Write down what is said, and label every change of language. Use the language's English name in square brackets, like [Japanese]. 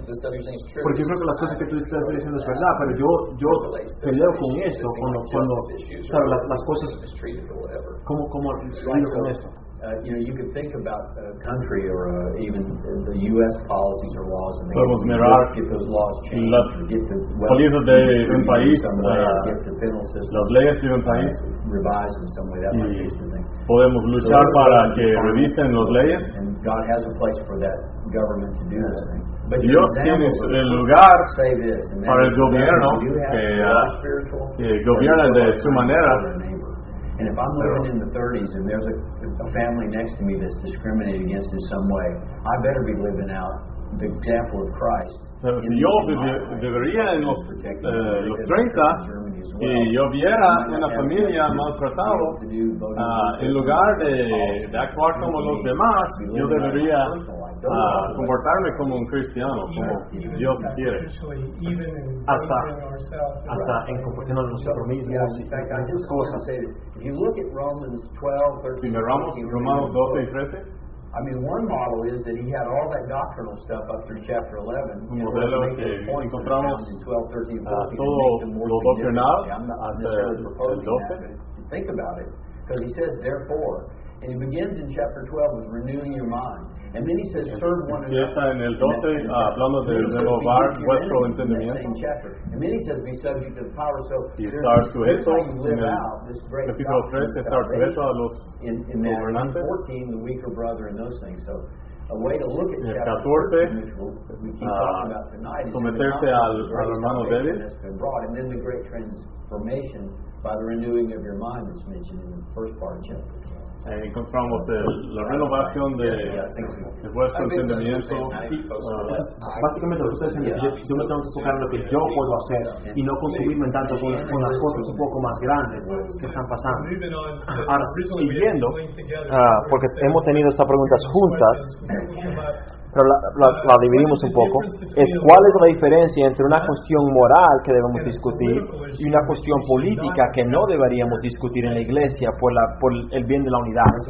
[Spanish] Porque yo creo que las cosas que tú estás diciendo es verdad, pero yo peleo con esto cuando ¿sabes? Las cosas ¿cómo lidio con esto? [English] You can think about a country or even the U.S. policies or laws. [Spanish] Podemos mirar las políticas de un país, las leyes de un país, y podemos luchar para que revisen las leyes. [English] God has a place for that government to do this thing. [Spanish] Dios tiene el lugar para el gobierno que gobierna de su manera. [English] And if I'm living in the 30s and there's a family next to me that's discriminated against in some way, I better be living out the example of Christ. [Spanish] Yo vivía en los 30 y yo viera una familia maltratada, en lugar de actuar como los demás, yo debería comportarme como un cristiano, como Dios quiere. Hasta en comportarnos nosotros mismos, en esas cosas. [English] You look at Romans 12, 13, [Spanish] si miramos Romanos 12 y 13, [English] I mean, one model is that he had all that doctrinal stuff up through chapter 11. [Spanish] Un modelo que encontramos todo lo doctrinal hasta el 12. [English] Think about it. Because he says, therefore, and he begins in chapter 12 with renewing your mind. And then he says, serve one another. [Spanish] Empieza en el 12 hablando de renovar vuestro entendimiento. [English] And then he says, be subject to the power. So, there's how you live out this great doctrine of salvation. In Matthew 14, the weaker brother and those things. So, a way to look at chapter 14, which we keep talking about tonight, is the great salvation that's been brought. And then the great transformation by the renewing of your mind that's mentioned in the first part of chapter. [Spanish] Encontramos la renovación de vuestro entendimiento. Básicamente lo que estoy diciendo es que yo me tengo que enfocar en lo que yo puedo hacer y no consumirme tanto con las cosas un poco más grandes que están pasando. Ahora, siguiendo, porque hemos tenido estas preguntas juntas, pero la dividimos un poco, es cuál es la diferencia entre una cuestión moral que debemos discutir y una cuestión política que no deberíamos discutir en la iglesia por el bien de la unidad.